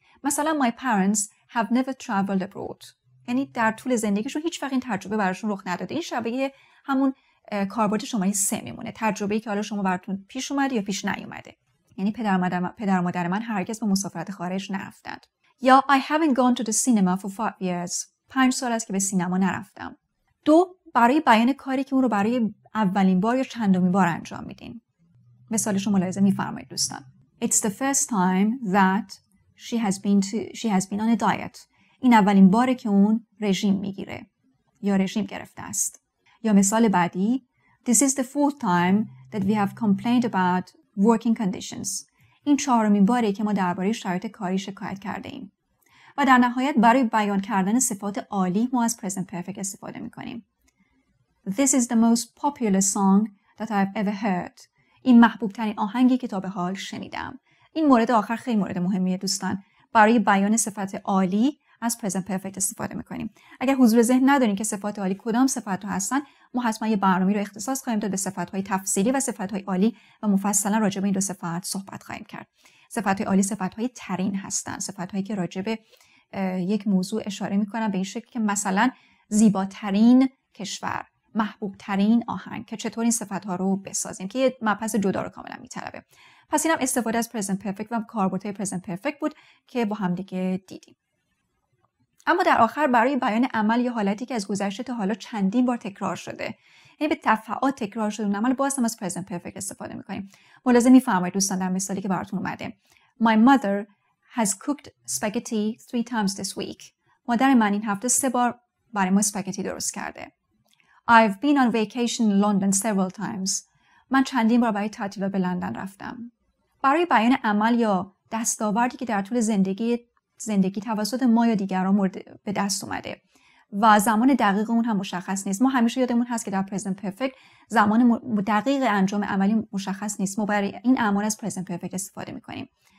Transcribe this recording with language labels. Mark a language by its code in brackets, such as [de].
[en] مثلا my parents have never traveled abroad. [fa] یعنی در طول زندگیشون هیچ وقت این تجربه براشون رخ نداده. این شبیه همون کاربرد شماره 3 میمونه. تجربه‌ای که حالا شما براتون پیش اومده یا پیش نیومده. یعنی پدر مادر من هرگز به مسافرت خارج نرفتند. [en] یا I haven't gone to the cinema for 5 years. [fa] 5 سال است که به سینما نرفتم. دو، برای بیان کاری که اون رو برای اولین بار یا چندمین بار انجام میدین. مثالش رو ملاحظه میفرمایید دوستان. [en] It's the first time that she has been on a diet. [fa] این اولین باره که اون رژیم میگیره یا رژیم گرفته است. یا مثال بعدی، [en] This is the fourth time that we have complained about working conditions. [fa] این چهارمین باره که ما درباره شرایط کاری شکایت کرده ایم. و در نهایت برای بیان کردن صفات عالی ما از present perfect استفاده میکنیم. [en] This is the most popular song that I've ever heard. [fa] این محبوب ترین آهنگی که تا به حال شنیدم. این مورد آخر خیلی مورد مهمیه دوستان. برای بیان صفات عالی از present perfect استفاده میکنیم. اگر حضور ذهن ندارین که صفات عالی کدام صفات ها هستن، ما حتما یه برنامه رو اختصاص خواهیم داد به صفات های تفصیلی و صفات های عالی و مفصلا راجع به این دو صفات صحبت خواهیم کرد. صفات های عالی صفات های ترین هستن، صفات هایی که راجع به یک موضوع اشاره میکنن به این شکل که مثلا زیباترین کشور، محبوب ترین آهنگ، که چطور این صفات ها رو بسازیم که یه مبحث جدا رو کاملا میطلبه. پس اینم استفاده از present perfect و کاربردهای present perfect بود که با هم دیگه دیدیم. اما در آخر برای بیان عمل یا حالتی که از گذشته تا حالا چندین بار تکرار شده، یعنی به تفاوت تکرار شده اون عمل، باز هم از present perfect استفاده میکنیم. ملاحظه میفرمایید دوستان در مثالی که براتون اومده. [en] My mother has cooked spaghetti 3 times this week. [fa] مادر من این هفته 3 بار برای ما اسپاگتی درست کرده. [en] I've been on vacation in London several times. [fa] من چندین بار برای تعطیلات به لندن رفتم. برای بیان عمل یا دستاوردی که در طول زندگی توسط ما یا دیگران به دست اومده و زمان دقیق اون هم مشخص نیست. ما همیشه یادمون هست که در present perfect زمان دقیق انجام عملی مشخص نیست. ما برای این اعمال از present perfect استفاده میکنیم.